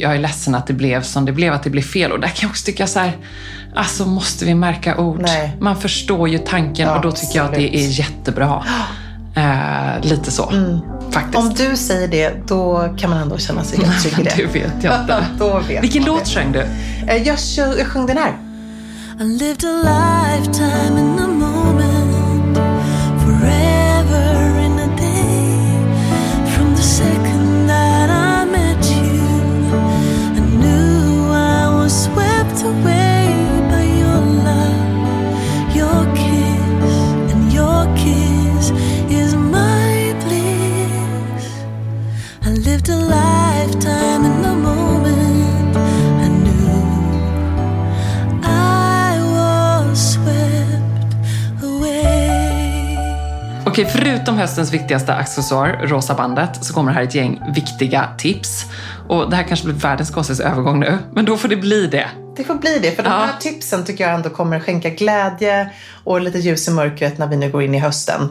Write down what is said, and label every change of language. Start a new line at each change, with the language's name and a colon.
Swedish: Jag är ledsen att det blev som det blev, att det blev fel. Och där kan jag också tycka så här, alltså måste vi märka ord? Nej. Man förstår ju tanken, ja, och då tycker absolut. Jag att det är jättebra. Lite så, faktiskt. Om du säger det, då kan man ändå känna sig helt trygg i det. Du vet jag inte. Då vet vilken låt det. Sjöng du? Jag sjöng den här.
English: I lived a lifetime in the moment, forever in a day, from the second that I met you, I knew I was swept away by your love, your kiss, and your kiss is my bliss. I lived a lifetime in the moment, I knew I was swept away.
Swedish: Okej, förutom höstens viktigaste accessoar, rosa bandet, så kommer här ett gäng viktiga tips. Och det här kanske blir världens konstigaste övergång nu, men då får det bli det. Det får bli det, för de här tipsen tycker jag ändå kommer skänka glädje och lite ljus i mörkret när vi nu går in i hösten.